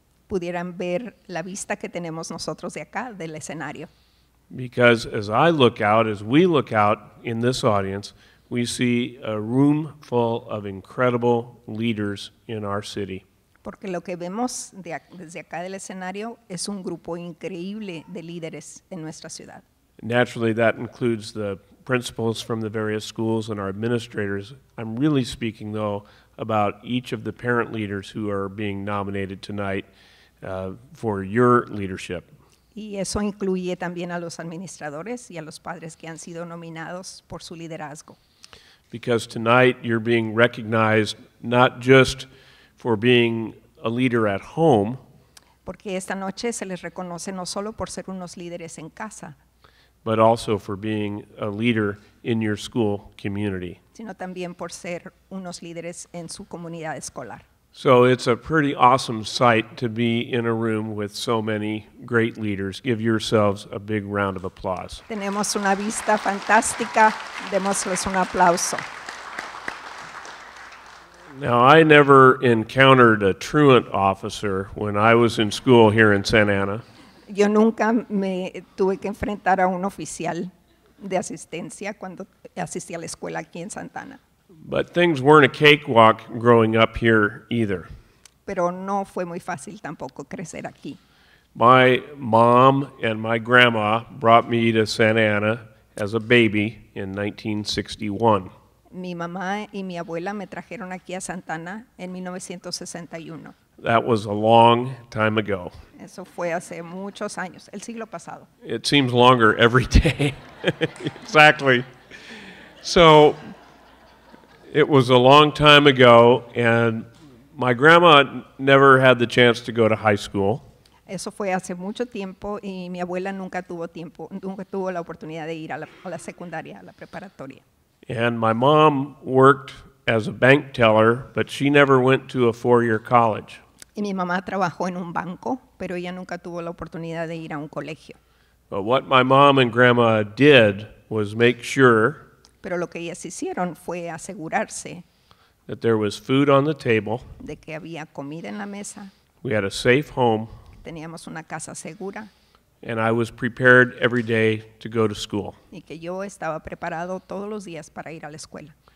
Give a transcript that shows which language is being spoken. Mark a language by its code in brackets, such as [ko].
[es] Pudieran ver la vista que tenemos nosotros de acá, del escenario. [en] Because as I look out, as we look out in this audience, we see a room full of incredible leaders in our city. [es] Porque lo que vemos desde acá del escenario es un grupo increíble de líderes en nuestra ciudad. [en] Naturally, that includes the principals from the various schools and our administrators. I'm really speaking, though, about each of the parent leaders who are being nominated tonight for your leadership. [es] Y eso incluye también a los administradores y a los padres que han sido nominados por su liderazgo. [en] Because tonight you're being recognized not just for being a leader at home. [es] Porque esta noche se les reconoce no solo por ser unos líderes en casa, [en] but also for being a leader in your school community. [es] Sino también por ser unos líderes en su comunidad escolar. [en] So it's a pretty awesome sight to be in a room with so many great leaders. Give yourselves a big round of applause. [es] Tenemos una vista fantástica. Démosles un aplauso. [en] Now, I never encountered a truant officer when I was in school here in Santa Ana. [es] Yo nunca me tuve que enfrentar a un oficial de asistencia cuando asistí a la escuela aquí en Santa Ana. [en] But things weren't a cakewalk growing up here either. [es] Pero no fue muy fácil tampoco crecer aquí. [en] My mom and my grandma brought me to Santa Ana as a baby in 1961. [es] Mi mamá y mi abuela me trajeron aquí a Santa Ana en 1961. [en] That was a long time ago. [es] Eso fue hace muchos años, el siglo pasado. [en] It seems longer every day. Exactly. So, it was a long time ago, and my grandma never had the chance to go to high school. [es] Eso fue hace mucho tiempo, y mi abuela nunca tuvo la oportunidad de ir a la secundaria, a la preparatoria. [en] And my mom worked as a bank teller, but she never went to a four-year college. [es] Y mi mamá trabajó en un banco, pero ella nunca tuvo la oportunidad de ir a un colegio. [en] But what my mom and grandma did was make sure, [es] pero lo que ellas hicieron fue asegurarse, [en] that there was food on the table, [es] de que había comida en la mesa, [en] we had a safe home, [es] teníamos una casa segura, [en] and I was prepared every day to go to school. [es] Y que yo estaba preparado todos los días para ir a la escuela.